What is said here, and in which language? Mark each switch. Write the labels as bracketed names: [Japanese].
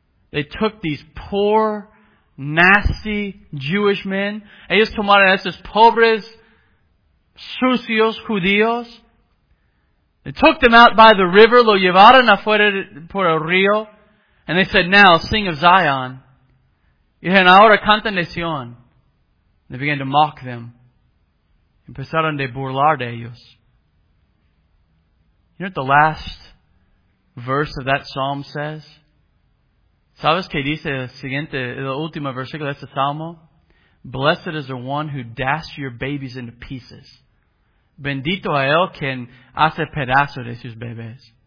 [English] They took these poor, nasty Jewish men. [Spanish] Ellos tomaron esos pobres, sucios judíos. [English] They took them out by the river. [Spanish] Lo llevaron afuera por el río. [English] And they said, now, sing of Zion. [Spanish] Y dijeron, ahora canten de Sion. [English] They began to mock them. [Spanish] Empezaron de burlar de ellos. [English] You know what the last verse of that psalm says? [Spanish] ¿Sabes qué dice el siguiente, el último versículo de este Salmo? [English] Blessed is the one who dashes your babies into pieces. [Spanish] Bendito a él quien hace pedazo de sus bebés.